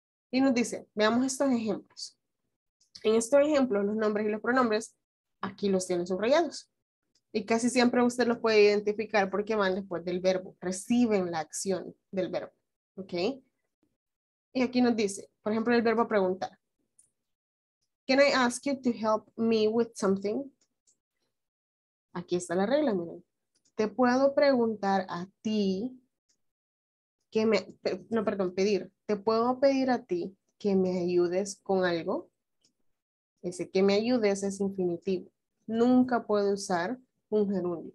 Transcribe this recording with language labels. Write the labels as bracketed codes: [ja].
[es] Y nos dice, veamos estos ejemplos. En estos ejemplos, los nombres y los pronombres, aquí los tienen subrayados. Y casi siempre usted los puede identificar porque van después del verbo. Reciben la acción del verbo. ¿Ok? Y aquí nos dice, por ejemplo, el verbo preguntar. [en] Can I ask you to help me with something? [es] Aquí está la regla, miren. Te puedo preguntar a ti que me, no, perdón, pedir. Te puedo pedir a ti que me ayudes con algo. Ese que me ayudes es infinitivo. Nunca puedo usar un gerundio.